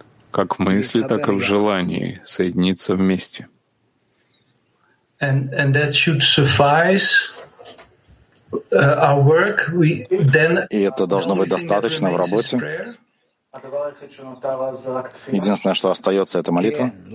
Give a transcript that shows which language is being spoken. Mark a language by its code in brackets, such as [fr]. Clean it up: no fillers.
[ru] Как в мысли, так и в желании соединиться вместе. [en] And that should suffice our work. We then. [ru] И это должно быть достаточно в работе. Единственное, что остается, это молитва.